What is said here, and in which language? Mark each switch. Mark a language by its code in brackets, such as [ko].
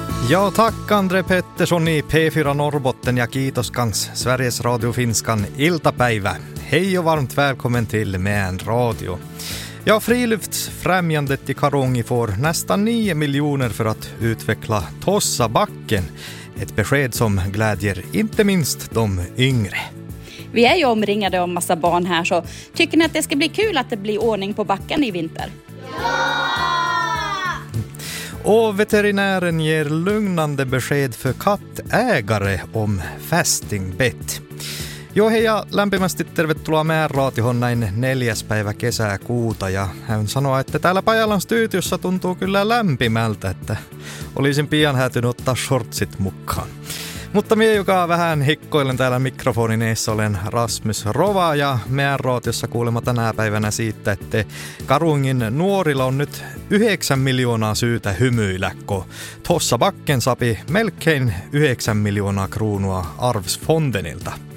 [sv] Ja, tack André Pettersson i P4 Norrbotten, [fi] ja kiitos kans Sveriges Radio Finskan iltapäivä. [sv] Hej och varmt välkommen till Män Radio. Ja, friluftsfrämjandet i Karungi får nästan 9 miljoner för att utveckla Tossabacken. Ett besked som glädjer inte minst de yngre. Vi är ju omringade av massa barn här, så tycker ni att det ska bli kul att det blir ordning på backen i vinter? Ja! Och veterinären ger lugnande besked för kattägare om fästingbett. [fi] Joo, hei ja lämpimästi tervetuloa Mään Raatioon näin 4. päivä kesäkuuta. Ja hän sanoa, että täällä Pajalan studiossa tuntuu kyllä lämpimältä, että olisin pian häätynyt ottaa shortsit mukaan. Mutta minä, joka vähän hikkoilen täällä mikrofonin eessä, olen Rasmus Rova ja Mään Raatiossa kuulemma tänä päivänä siitä, että Karungin nuorilla on nyt 9 miljoonaa syytä hymyillä, kun Tossabacken sapi melkein 9 miljoonaa kruunua Arvsfondenilta.